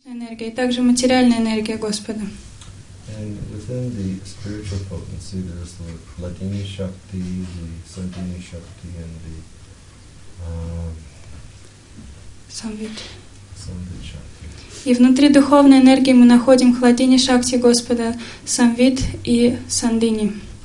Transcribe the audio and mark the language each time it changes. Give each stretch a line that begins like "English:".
Russian: энергия, и также материальная энергия Господа.
English: And within the spiritual potency, there is the Ladini Shakti, the Sandini Shakti, and the Samvit Shakti.
Russian: И внутри духовной энергии мы находим Хладини Шакти Господа, Самвит и Сандини.